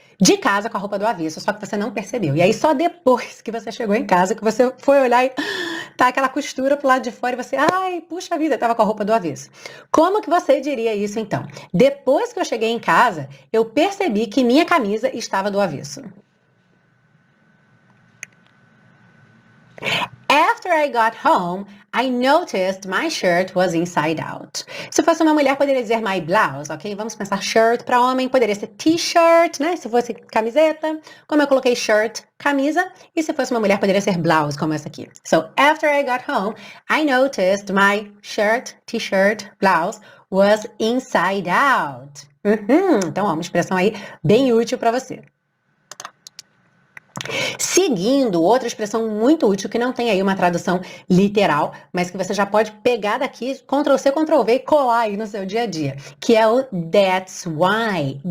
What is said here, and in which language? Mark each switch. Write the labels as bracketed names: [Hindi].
[Portuguese] de casa com a roupa do avesso, só que você não percebeu. E aí só depois que você chegou em casa, que você foi olhar e tá aquela costura pro lado de fora e você, ai, puxa vida, tava com a roupa do avesso. Como que você diria isso então? Depois que eu cheguei em casa, eu percebi que minha camisa estava do avesso. [English] After I got home, I noticed my shirt was inside out. [Portuguese] Se fosse uma mulher, poderia dizer [English] my blouse, [Portuguese] ok? Vamos pensar shirt para homem, poderia ser t-shirt, né? Se fosse camiseta, como eu coloquei shirt, camisa. E se fosse uma mulher, poderia ser blouse, como essa aqui. [English] So, after I got home, I noticed my shirt, t-shirt, blouse was inside out. [Portuguese] Então, ó, uma expressão aí bem útil para você. Seguindo, outra expressão muito útil, que não tem aí uma tradução literal, mas que você já pode pegar daqui, Ctrl-C, Ctrl-V e colar aí no seu dia a dia, que é o [English] that's why.